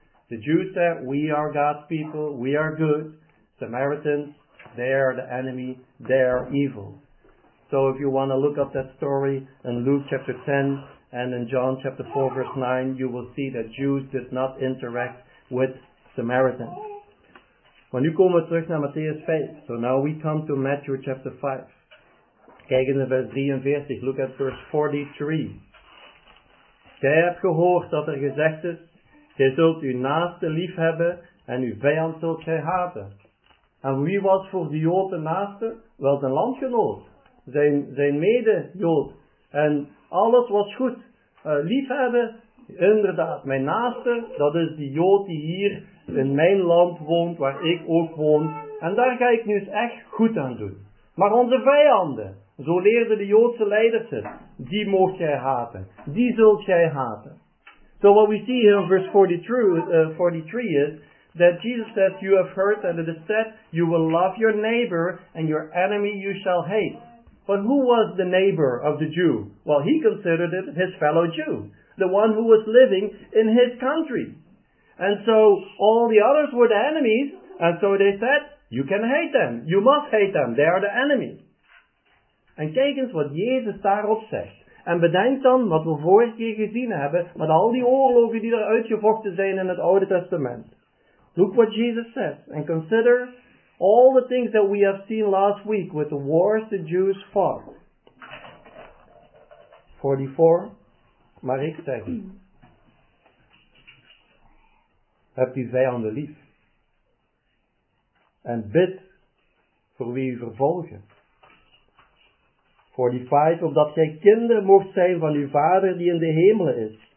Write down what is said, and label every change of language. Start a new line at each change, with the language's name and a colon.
English: The Jews said, we are God's people, we are good. Samaritans, they are the enemy, they are evil. So if you want to look up that story in Luke chapter 10 and in John chapter 4 verse 9, you will see that Jews did not interact with Samaritans.
Dutch: Maar nu komen we terug naar Matthäus 5.
English: So now we come to Matthew chapter 5.
Dutch: Kijk in de vers 43.
English: Look at verse 43.
Dutch: Gij hebt gehoord dat er gezegd is, gij zult uw naaste lief hebben en uw vijand zult gij haten. En wie was voor de Jood de naaste? Wel zijn landgenoot. Zijn mede-Jood. En alles was goed. Lief hebben, inderdaad, mijn naaste, dat is die Jood die hier in mijn land woont, waar ik ook woon. En daar ga ik nu eens echt goed aan doen. Maar onze vijanden, zo leerden de Joodse leiders het, die mocht jij haten. Die zult jij haten.
English: So what we see here in verse 43 is, that Jesus says, you have heard that it is said, you will love your neighbor and your enemy you shall hate. But who was the neighbor of the Jew? Well, he considered it his fellow Jew. The one who was living in his country. And so all the others were the enemies. And so they said, you can hate them. You must hate them. They are the enemy.
Dutch: En kijk eens wat Jezus daarop zegt. En bedenk dan wat we vorige keer gezien hebben met al die oorlogen die er uitgevochten zijn in het Oude Testament.
English: Look what Jesus says. And consider all the things that we have seen last week with the wars the Jews fought.
Dutch: 44. Maar ik zeg, heb die vijanden lief. En bid voor wie u vervolgen. 45. Opdat gij kinderen mocht zijn van uw vader die in de hemelen is.